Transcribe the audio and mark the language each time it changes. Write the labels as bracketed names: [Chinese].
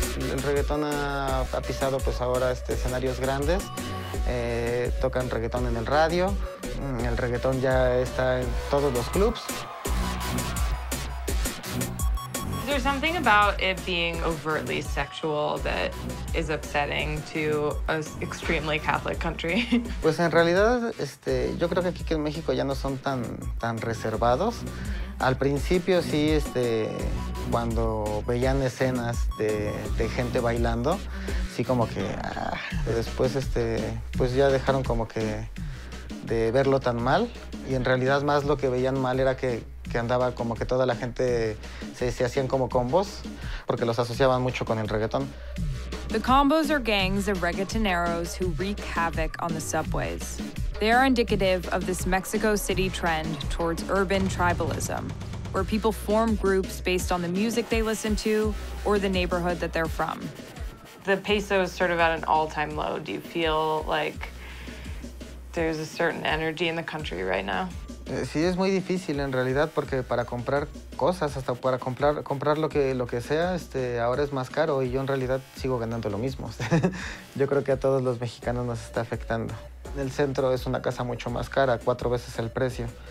[Spanish] El reggaetón ha pisado pues ahora este escenarios grandes. Tocan reggaetón en el radio. El reggaetón ya está en todos los clubs. [English] There's something about it being overtly sexual that is upsetting to an extremely Catholic country. [Spanish] Pues en realidad, yo creo que aquí en México ya no son tan reservados. Al principio sí, cuando veían escenas de gente bailando, sí como que, pero después pues ya dejaron como que de verlo tan mal. Y en realidad más lo que veían mal era que andaba como que toda la gente se hacían como combos, porque los asociaban mucho con el reggaetón. [English] The combos are gangs of reggaetoneros who wreak havoc on the subways. They are indicative of this Mexico City trend towards urban tribalism, where people form groups based on the music they listen to or the neighborhood that they're from. The peso is sort of at an all-time low. Do you feel like there's a certain energy in the country right now? [Spanish] Sí, es muy difícil en realidad, porque para comprar cosas, hasta para comprar lo que sea, ahora es más caro y yo en realidad sigo ganando lo mismo. Yo creo que a todos los mexicanos nos está afectando. En el centro es una casa mucho más cara, 4 veces el precio.